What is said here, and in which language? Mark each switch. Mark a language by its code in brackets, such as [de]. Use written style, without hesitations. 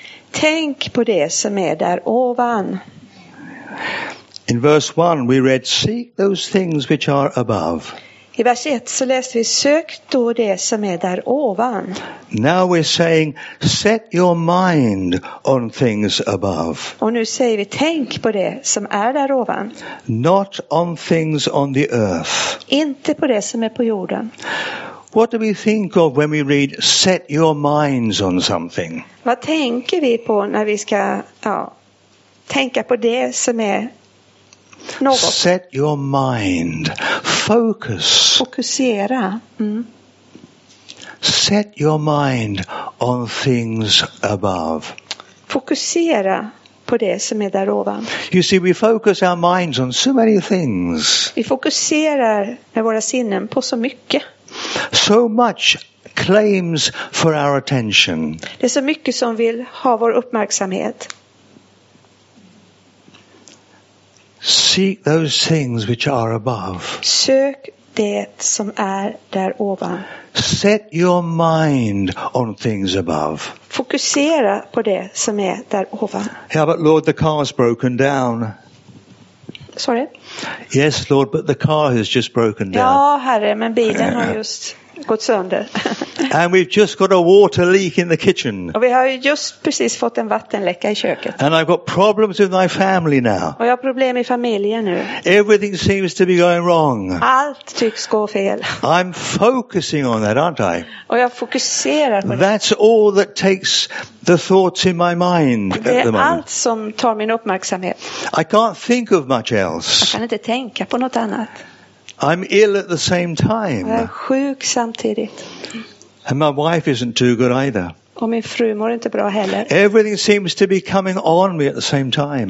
[sv] Tänk på det som är där ovan. [en] In verse 1 we read, seek those things which are above. [sv] I vers 1 så läste vi, sök då det som är där ovan. [en] Now we're saying, set your mind on things above. [sv] Och nu säger vi, tänk på det som är där ovan. [en] Not on things on the earth. [sv] Inte på det som är på jorden. [en] What do we think of when we read, set your minds on something? [sv] Vad tänker vi på när vi ska, ja, tänka på det som är något? [en] Set your mind. Focus. [sv] Fokusera. Mm. [en] Set your mind on things above. [sv] Fokusera på det som är där ovan. [en] You see, we focus our minds on so many things. [sv] Vi fokuserar med våra sinnen på så mycket. [en] So much claims for our attention. [sv] Det är så mycket som vill ha vår uppmärksamhet. [en] Seek those things which are above. [sv] Sök det som är där ovan. [en] Set your mind on things above. [sv] Fokusera på det som är där ovan. [en] Yeah, but Lord, the car is broken down. Sorry? Yes, Lord, but the car has just broken down. [sv] Ja, Herre, men bilen har just gått sönder. [en] And we've just got a water leak in the kitchen. [sv] Och vi har just precis fått en vattenläcka i köket. [en] And I've got problems with my family now. [sv] Och jag har problem i familjen nu. [en] Everything seems to be going wrong. [sv] Allt tycks gå fel. [en] I'm focusing on that, aren't I? [sv] Och jag fokuserar på det. [en] That's all that takes the thoughts in my mind at the moment. [sv] Det är allt som tar min uppmärksamhet. [en] I can't think of much else. [sv] Jag kan inte tänka på något annat. [en] I'm ill at the same time. [sv] Jag är sjuk samtidigt. [en] And my wife isn't too good either. [sv] Och min fru mår inte bra heller. [en] Everything seems to be coming on me at the same time.